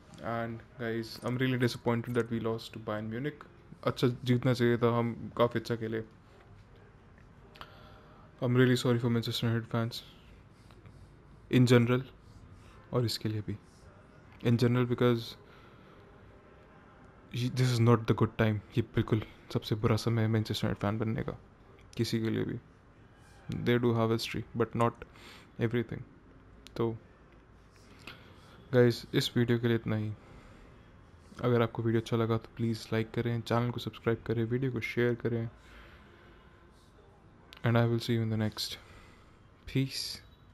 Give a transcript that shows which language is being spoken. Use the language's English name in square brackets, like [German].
[English] And guys, I'm really disappointed that we lost to Bayern Munich. [Hindi] Achha jeetna chahiye tha, hum kaafi achha khele. [English] I'm really sorry for Manchester United fans. In general. [Hindi] Aur iske liye bhi. [English] In general because... This is not the good time. [Hindi] ये बिल्कुल सबसे बुरा समय है Manchester United fan बनने का किसी के लिए भी. [English] They do have history, but not everything. [Hindi] तो guys, इस वीडियो के लिए इतना ही. अगर आपको वीडियो अच्छा लगा तो प्लीज़ लाइक करें, चैनल को सब्सक्राइब करें, वीडियो को शेयर करें. [English] And I will see you in the next. Peace.